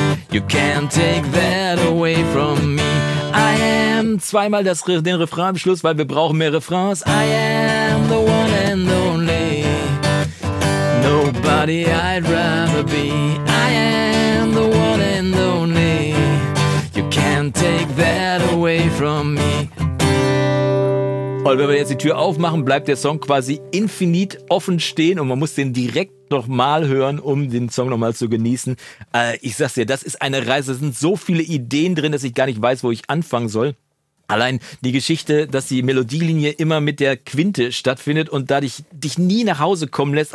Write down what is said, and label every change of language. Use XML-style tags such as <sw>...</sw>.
<en>You can't take that away from me. I am</en> <de>zweimal den Refrain am Schluss, weil wir brauchen mehr Refrains.</de> <en>I am the one and only. Nobody I'd rather be. I am the one and only. You can't take that away from me.</en> <de>Und wenn wir jetzt die Tür aufmachen, bleibt der Song quasi infinit offen stehen und man muss den direkt nochmal hören, um den Song nochmal zu genießen. Ich sag's dir, das ist eine Reise. Es sind so viele Ideen drin, dass ich gar nicht weiß, wo ich anfangen soll. Allein die Geschichte, dass die Melodielinie immer mit der Quinte stattfindet und dadurch dich nie nach Hause kommen lässt.</de>